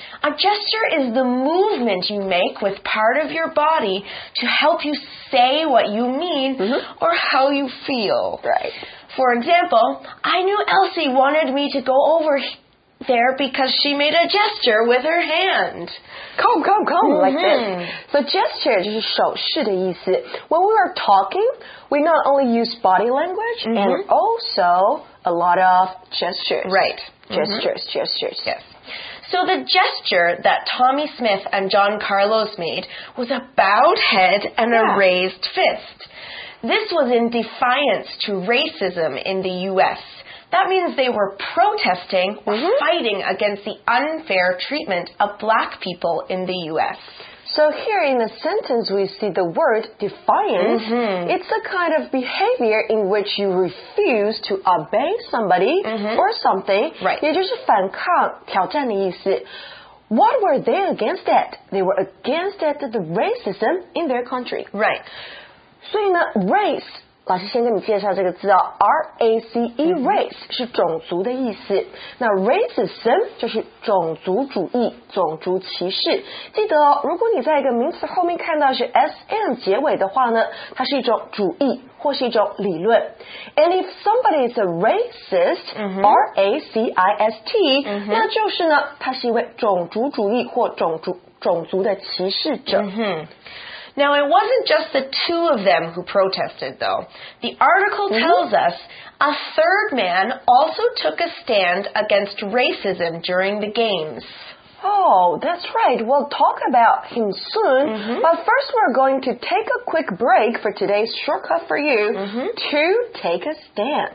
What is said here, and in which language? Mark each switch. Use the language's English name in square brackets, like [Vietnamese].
[English] A gesture is the movement you make with part of your body to help you say what you mean or how you feel. Right. For example, I knew Elsie wanted me to go over there because she made a gesture with her hand. Come, come, come, like this. [Chinese] So gesture 就是手势的意思。 [English] When we are talking, we not only use body language and also a lot of gestures. Right. Gestures, gestures. Yes. So the gesture that Tommy Smith and John Carlos made was a bowed head and a raised fist. This was in defiance to racism in the U.S. That means they were protesting, fighting against the unfair treatment of black people in the U.S. So here in the sentence we see the word defiance. It's a kind of behavior in which you refuse to obey somebody or something. Right. [Chinese] 也就是反抗、挑战的意思。 [English] What were they against that? They were against that, the racism in their country. Right. [Chinese] 所以呢 race, 老师先跟你介绍这个字哦 R-A-C-E, race, 是种族的意思。那 racism 就是种族主义、种族歧视。记得哦，如果你在一个名词后面看到是 SM 结尾的话呢，它是一种主义或是一种理论。 [English] And if somebody is a racist, [Chinese] R-A-C-I-S-T, 那就是呢，它是一位种族主义或种族的歧视者。 [English] Now, it wasn't just the two of them who protested, though. The article tells us a third man also took a stand against racism during the games. Oh, that's right. We'll talk about him soon. But first, we're going to take a quick break for today's shortcut for you to take a stand.